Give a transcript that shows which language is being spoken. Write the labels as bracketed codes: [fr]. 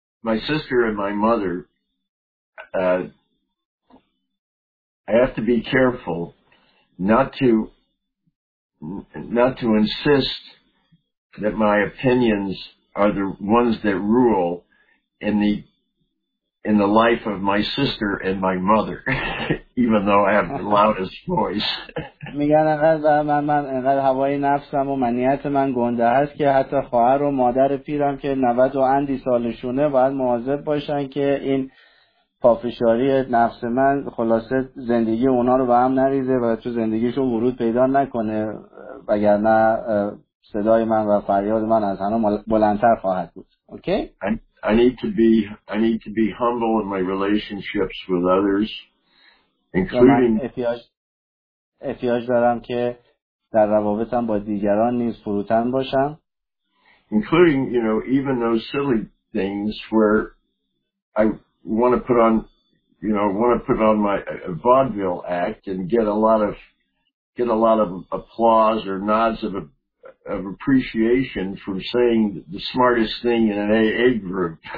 [en] My sister and my mother I have to be careful not to insist that my opinions are the ones that rule in the life of my sister and my mother, even though I have the loudest voice. [fa] میگن انقدر هوای نفسم و منیت من گنده هست که حتی خواهر و مادر پیرم که 90 و اندی سالشونه باید مواظب باشن که این پافشاری نفس من خلاصه زندگی اونا رو به هم نریزه و تو زندگیشون ورود پیدا نکنه وگرنه صدای من و فریاد من از همه بلندتر خواهد بود. اوکی؟ [en] Okay? I need to be humble in my relationships with others, including [fa] احتیاج دارم که در روابطم با دیگران نیز فروتن باشم. [en] Including, you know, even those silly things where I want to put on, you know, want to put on my vaudeville act and get a lot of applause or nods of appreciation from saying the smartest thing in an AA group.